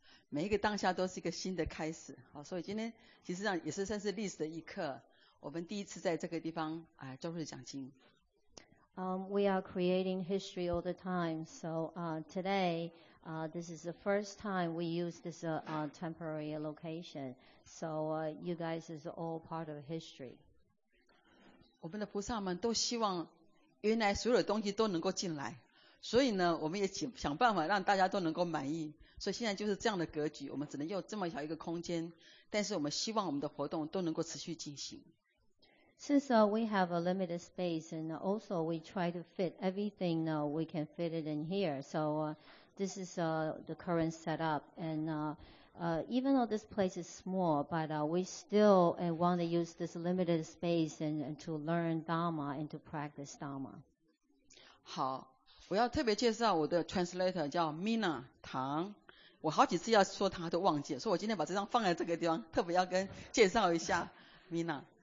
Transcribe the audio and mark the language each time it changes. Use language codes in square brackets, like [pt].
[zh] 每一个当下都是一个新的开始，好，所以今天其实上也是算是历史的一刻，我们第一次在这个地方啊，周日讲经。 [en] We are creating history all the time, so today, this is the first time we use this temporary location, so you guys is all part of history. [zh] 我们的菩萨们都希望，原来所有的东西都能够进来。所以呢，我们也想办法让大家都能够满意。所以现在就是这样的格局，我们只能用这么小一个空间，但是我们希望我们的活动都能够持续进行。 [en] Since we have a limited space, and also we try to fit everything we can fit it in here, so this is the current setup. And even though this place is small, but we still want to use this limited space and to learn Dharma and to practice Dharma. [zh] 好。我要特别介绍我的 translator 叫 Mina 唐，我好几次要说他都忘记，所以我今天把这张放在这个地方，特别要跟介绍一下 Mina。